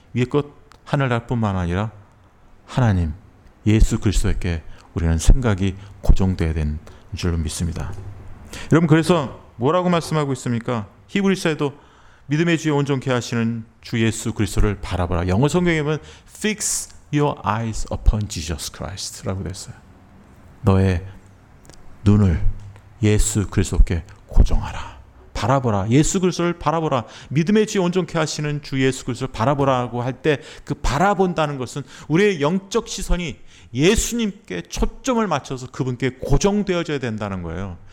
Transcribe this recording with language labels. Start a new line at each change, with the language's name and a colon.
Korean: 위의 것 하늘나라뿐만 아니라 하나님 예수 그리스도에게 우리는 생각이 고정되어야 된 줄 믿습니다. 여러분, 그래서 뭐라고 말씀하고 있습니까? 히브리서에도 믿음의 주에 온전케 하시는 주 예수 그리스도를 바라보라. 영어 성경에 보면
English: Fix your eyes upon Jesus Christ
Korean: 라고 됐어요. 너의 눈을 예수 그리스도께 고정하라. 바라보라. 예수 그리스도를 바라보라. 믿음의 주에 온전케 하시는 주 예수 그리스도를 바라보라고 할 때 그 바라본다는 것은 우리의 영적 시선이 예수님께 초점을 맞춰서 그분께 고정되어져야 된다는 거예요.